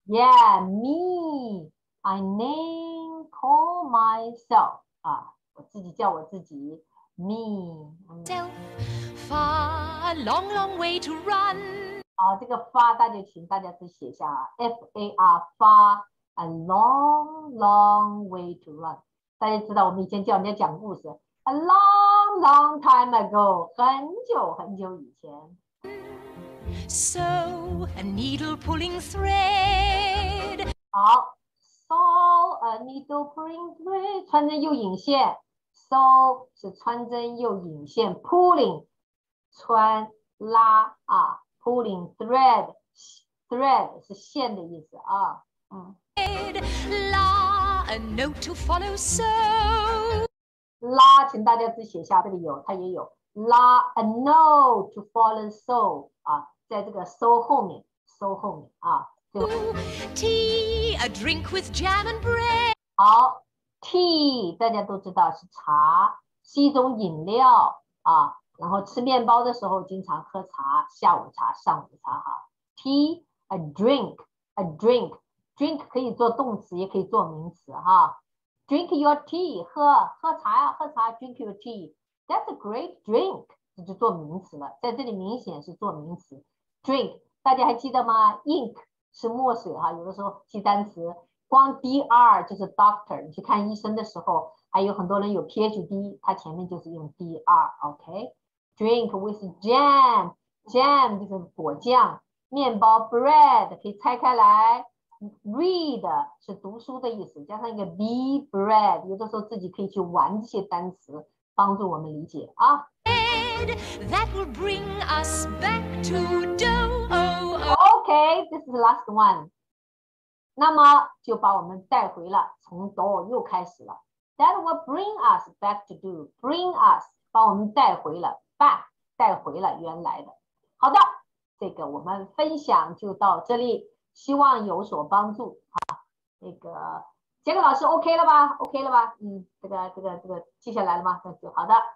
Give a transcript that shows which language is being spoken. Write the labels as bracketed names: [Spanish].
[English] Yeah, me, a name call myself. [Chinese] 啊，我自己叫我自己。Me. [English] Self, far a long, long way to run. [Chinese] 啊，这个 far 大家请大家自己写下啊 ，far, [English] far a long, long way to run. [Chinese] 大家知道我们以前教人家讲故事 ， [English] a long long time ago， [Chinese] 很久很久以前。 [English] So a needle pulling thread。 [Chinese] 好 ， [English] so a needle pulling thread， [Chinese] 穿针又引线。 So 是穿针又引线 ，pulling 穿拉啊 ， [English] pulling thread [Chinese] 是线的意思啊，嗯。 [English] La, a note to follow so. [Chinese] La, 请大家自己写下，这个有，它也有。 [English] La, a note to follow so. [Chinese] 啊，在这个 so 后面 ，so 后面啊。 [English] Tea, a drink with jam and bread. [Chinese] 好 ，tea 大家都知道是茶，是一种饮料啊。然后吃面包的时候经常喝茶，下午茶、上午茶哈。 [English] Tea, a drink. [Chinese] Drink 可以做动词，也可以做名词哈。 [English] Drink your tea， 喝茶。 Drink your tea， that's a great drink， [Chinese] 这就做名词了。在这里明显是做名词。 Drink， 大家还记得吗 ？Ink 是墨水哈。有的时候记单词，光 dr 就是 doctor， 你去看医生的时候，还有很多人有 PhD， 他前面就是用 dr， OK。 [English] Drink with jam [Chinese] 就是果酱，面包 bread 可以拆开来。 Read 是读书的意思，加上一个 be bread， 有的时候自己可以去玩这些单词，帮助我们理解啊。 [English] That will bring us back to dough. Okay, this is the last one. [Chinese] 那么就把我们带回了，从 dough 又开始了。 [English] That will bring us back to do. Bring us [Chinese] 把我们带回了 back 带回了原来的。好的，这个我们分享就到这里，希望有所帮助啊。那个杰克老师 OK 了吧 ？OK 了吧？嗯，这个记下来了吗？那就好的。